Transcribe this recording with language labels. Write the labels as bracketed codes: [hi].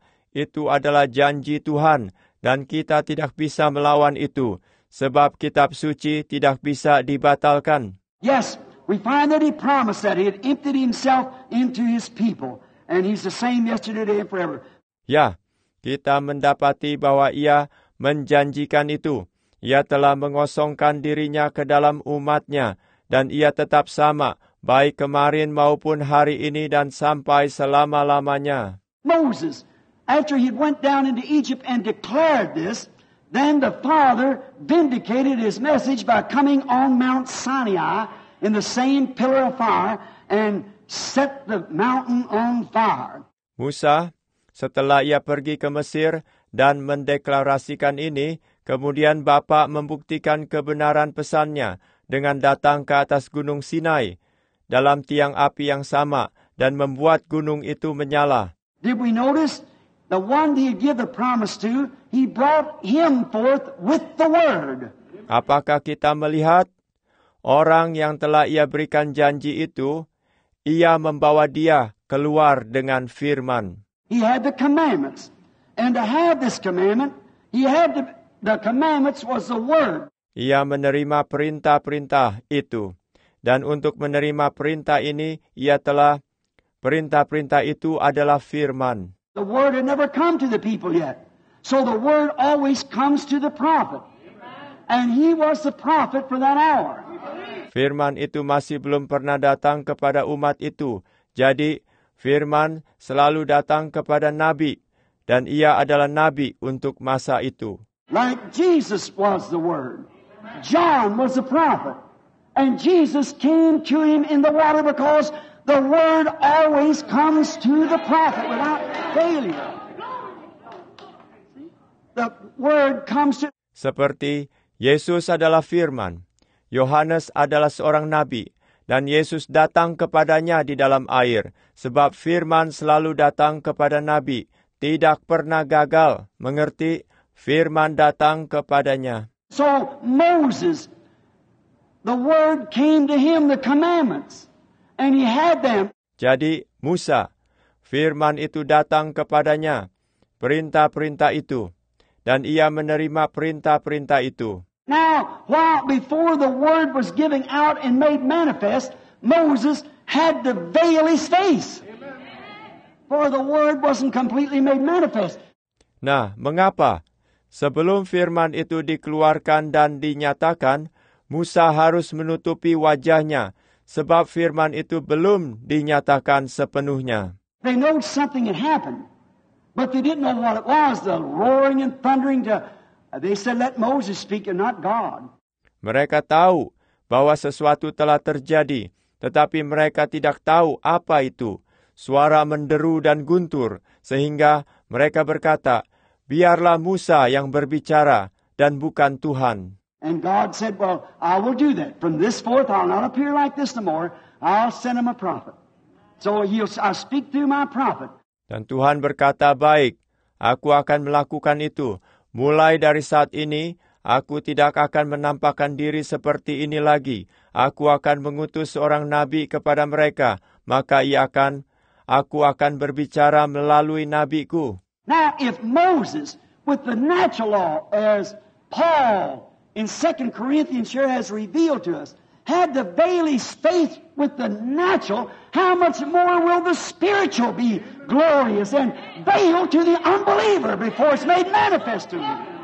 [id] Itu adalah janji Tuhan dan kita tidak bisa melawan itu sebab kitab suci tidak bisa dibatalkan. [en] Yes, we find that he promised that he had emptied himself into his people and he's the same yesterday, today, and forever. [id] Ya, kita mendapati bahwa ia menjanjikan itu. Ia telah mengosongkan dirinya ke dalam umatnya dan ia tetap sama. Baik kemarin maupun hari ini dan sampai selama-lamanya. [en] Moses, after he went down into Egypt and declared this, then the Father vindicated his message by coming on Mount Sinai in the same pillar of fire and set the mountain on fire. [id] Musa, setelah ia pergi ke Mesir dan mendeklarasikan ini, kemudian Bapa membuktikan kebenaran pesannya dengan datang ke atas Gunung Sinai. Dalam tiang api yang sama dan membuat gunung itu menyala. [en] Did we notice the one he had given the promise to? He brought him forth with the word. [id] Apakah kita melihat orang yang telah ia berikan janji itu? Ia membawa dia keluar dengan firman. [en] He had the commandments, and to have this commandment, he had the commandments was the word. [id] Ia menerima perintah-perintah itu. Dan untuk menerima perintah ini, ia telah Perintah-perintah itu adalah firman. [en] The word had never come to the people yet. So the word always comes to the prophet. And he was the prophet for that hour. [id] Firman itu masih belum pernah datang kepada umat itu. Jadi, firman selalu datang kepada nabi. Dan ia adalah nabi untuk masa itu. [en] Like Jesus was the word. John was the prophet. And Jesus came to him in the water because the word always comes to the prophet without failure. The word comes to... [id] Seperti Yesus adalah firman, Yohanes adalah seorang nabi, dan Yesus datang kepadanya di dalam air, sebab firman selalu datang kepada nabi, tidak pernah gagal, mengerti, firman datang kepadanya. [en] So Moses, the word came to him, the commandments, and he had them. [id] Jadi Musa, firman itu datang kepadanya, perintah-perintah itu, dan ia menerima perintah-perintah itu. [en] Now, while before the word was giving out and made manifest, Moses had to veil his face. For the word wasn't completely made manifest. [id] Nah, mengapa? Sebelum firman itu dikeluarkan dan dinyatakan, Musa harus menutupi wajahnya, sebab firman itu belum dinyatakan sepenuhnya. [en] They know something had happened, but they didn't know what it was, the roaring and thundering to... They said, let Moses speak and not God. [id] Mereka tahu bahwa sesuatu telah terjadi, tetapi mereka tidak tahu apa itu. Suara menderu dan guntur, sehingga mereka berkata, biarlah Musa yang berbicara dan bukan Tuhan. [en] And God said, well, I will do that. From this forth, I'll not appear like this no more. I'll send him a prophet. So I'll speak through my prophet. [id] Dan Tuhan berkata, baik, aku akan melakukan itu. Mulai dari saat ini, aku tidak akan menampakkan diri seperti ini lagi. Aku akan mengutus seorang nabi kepada mereka. Maka aku akan berbicara melalui nabiku. [en] Now, if Moses, with the natural law, as Paul in 2 Corinthians sure has revealed to us, had the veil's faith with the natural, how much more will the spiritual be glorious and veiled to the unbeliever before it's made manifest to him?